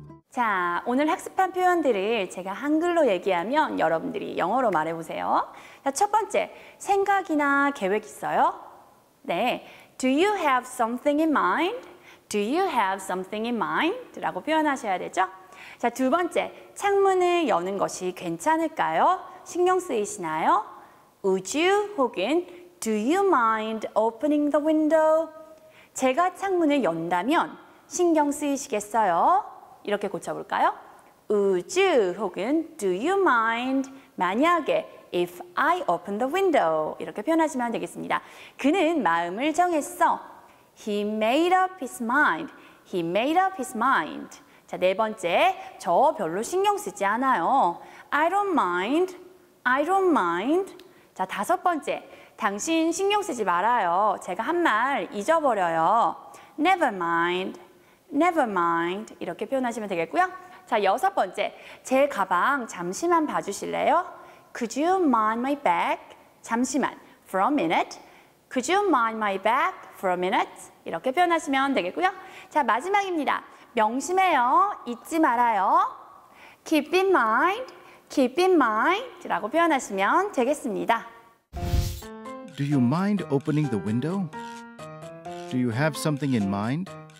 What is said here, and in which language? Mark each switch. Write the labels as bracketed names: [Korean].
[Korean] 자, 오늘 학습한 표현들을 제가 한글로 얘기하면 여러분들이 영어로 말해보세요. 자, 첫 번째, 생각이나 계획 있어요? [English] 네, Do you have something in mind? Do you have something in mind? [Korean] 라고 표현하셔야 되죠. 자, 두 번째, 창문을 여는 것이 괜찮을까요? 신경 쓰이시나요? [English] Would you 혹은 Do you mind opening the window? [Korean] 제가 창문을 연다면 신경 쓰이시겠어요? 이렇게 고쳐볼까요? Would you 혹은 Do you mind 만약에 [English] If I open the window [Korean] 이렇게 표현하시면 되겠습니다. 그는 마음을 정했어. [English] He made up his mind. He made up his mind. [Korean] 자, 네 번째, 저 별로 신경 쓰지 않아요. [English] I don't mind. I don't mind. [Korean] 자, 다섯 번째, 당신 신경 쓰지 말아요. 제가 한 말 잊어버려요. [English] Never mind. Never mind. [Korean] 이렇게 표현하시면 되겠고요. 자, 여섯 번째, 제 가방 잠시만 봐주실래요? [English] Could you mind my bag? 잠시만, for a minute. Could you mind my bag for a minute? [Korean] 이렇게 표현하시면 되겠고요. 자, 마지막입니다. 명심해요. 잊지 말아요. [English] Keep in mind. Keep in mind. [Korean] 라고 표현하시면 되겠습니다. [English] Do you mind opening the window? Do you have something in mind?